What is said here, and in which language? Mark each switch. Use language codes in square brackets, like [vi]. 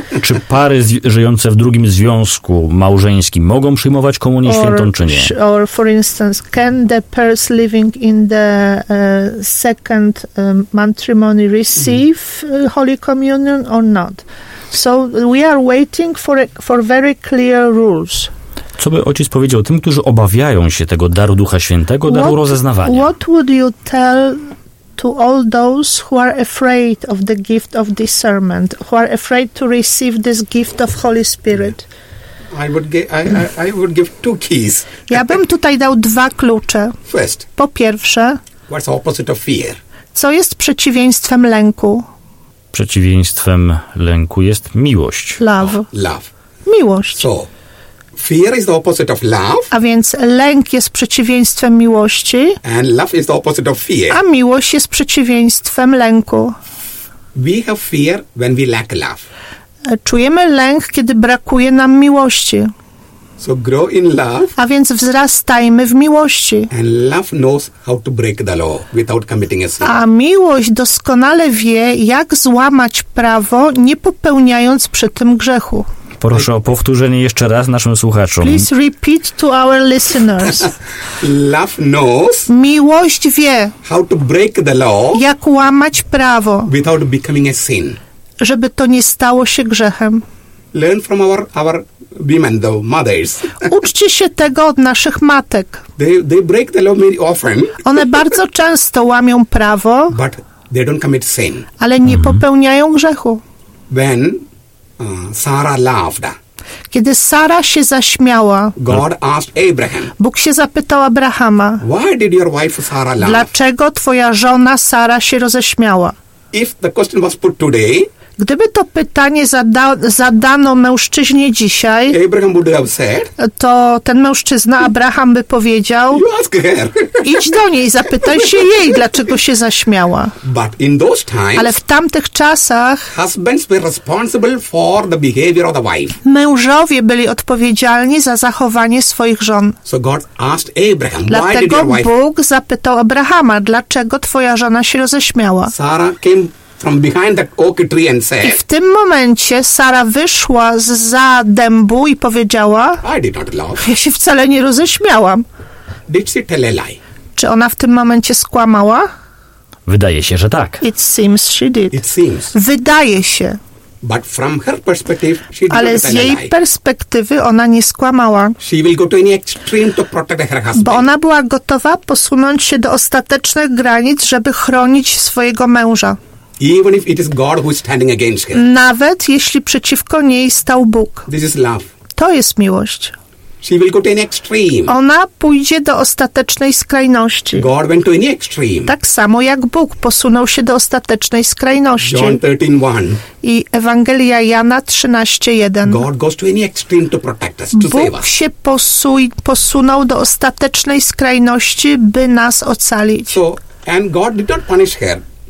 [pl] Czy pary żyjące w drugim związku małżeńskim mogą przyjmować komunię świętą czy nie? [en] Or for instance, can the pairs living in the second matrimony receive Holy Communion or not? So we are waiting for very clear rules. [pl] Co by ojciec powiedział tym, którzy obawiają się tego daru Ducha Świętego, daru rozeznawania? [en] What would you tell to all those who are afraid of the gift of discernment, who are afraid to receive this gift of Holy Spirit? I would give two keys. [pl] Ja bym tutaj dał dwa klucze. [en] First. [pl] Po pierwsze. [en] What's the opposite of fear? [pl] Co jest przeciwieństwem lęku? Przeciwieństwem lęku jest miłość. [en] Love. Oh, love. [pl] Miłość. [en] So, fear is the opposite of love. [pl] A więc lęk jest przeciwieństwem miłości. [en] And love is the opposite of fear. [pl] A miłość jest przeciwieństwem lęku. [en] We have fear when we lack love. [pl] Czujemy lęk, kiedy brakuje nam miłości. [en] So grow in love. [pl] A więc wzrastajmy w miłości. [en] And love knows how to break the law without committing a sin. [pl] A miłość doskonale wie, jak złamać prawo, nie popełniając przy tym grzechu. Proszę o powtórzenie jeszcze raz naszym słuchaczom. [en] Please repeat to our listeners. Love knows. [pl] Miłość wie. [en] How to break the law. [pl] Jak łamać prawo. [en] Without becoming a sin. [pl] Żeby to nie stało się grzechem. [en] Learn from our women, the mothers. [pl] Uczcie się tego od naszych matek. [en] They break the law very often. [pl] One bardzo często łamią prawo. [en] But they don't commit sin. [pl] Ale nie popełniają grzechu. [en] When Sarah laughed. [pl] Kiedy Sara się zaśmiała, [en] God asked Abraham, [pl] Bóg się zapytał Abrahama, [en] why did your wife Sarah laugh? [pl] Dlaczego twoja żona Sara się roześmiała? [en] If the question was put today, [pl] gdyby to pytanie zadano mężczyźnie dzisiaj, [en] Abraham would have said, [pl] to ten mężczyzna Abraham by powiedział, [en] you ask her. [pl] Idź do niej, zapytaj się jej, dlaczego się zaśmiała. [en] But in those times, [pl] ale w tamtych czasach [en] husbands were responsible for the behavior of the wife. [pl] Mężowie byli odpowiedzialni za zachowanie swoich żon. [en] So God asked Abraham, [pl] dlatego [en] why did your wife... [pl] Bóg zapytał Abrahama, dlaczego twoja żona się roześmiała. [en] Sara came from behind the oak tree and said, [pl] i w tym momencie Sara wyszła zza dębu i powiedziała, [en] I did not laugh. [pl] Ja się wcale nie roześmiałam. [en] Did she tell a lie? [pl] Czy ona w tym momencie skłamała? Wydaje się, że tak. [en] It seems she did. It seems. [pl] Wydaje się. [en] But from her perspective, she did. [pl] Ale z jej perspektywy ona nie skłamała. [en] She will go to any extreme to protect her husband. [pl] Bo ona była gotowa posunąć się do ostatecznych granic, żeby chronić swojego męża. [en] Even if it is God who is standing against her. [pl] Nawet jeśli przeciwko niej stał Bóg. [en] This is love. [pl] To jest miłość. [en] She will go to an extreme. [pl] Ona pójdzie do ostatecznej skrajności. [en] God went to any extreme. [pl] Tak samo jak Bóg posunął się do ostatecznej skrajności. [en] John 13:1. [pl] I Ewangelia Jana 13:1. [en] God goes to any extreme to protect us, to [pl] Bóg [en] save us. [pl] Się posunął do ostatecznej skrajności, by nas ocalić. [en] So, and God did not punish her.